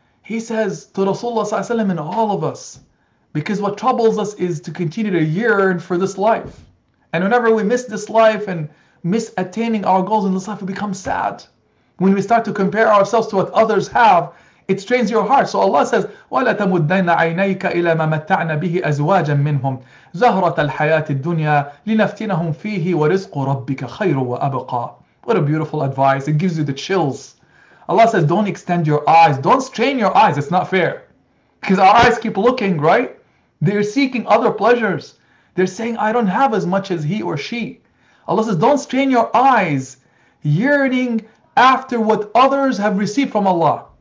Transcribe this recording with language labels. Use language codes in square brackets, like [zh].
[en] He says to Rasulullah and all of us, because what troubles us is to continue to yearn for this life. And whenever we miss this life and miss attaining our goals in this life, we become sad. When we start to compare ourselves to what others have, it strains your heart. So Allah says, [ar] وَلَا تَمُدَّنَّ عَيْنَيْكَ إِلَى مَا مَتَّعْنَا بِهِ أَزْوَاجًا مِّنْهُمْ زَهْرَةَ الْحَيَاةِ الدُّنْيَا لِنَفْتِنَهُمْ فِيهِ وَرِزْقُ رَبِّكَ خَيْرٌ وَأَبْقَى. [en] What a beautiful advice. It gives you the chills. Allah says, don't extend your eyes. Don't strain your eyes. It's not fair. Because our eyes keep looking, right? They're seeking other pleasures. They're saying, I don't have as much as he or she. Allah says, don't strain your eyes, yearning after what others have received from Allah.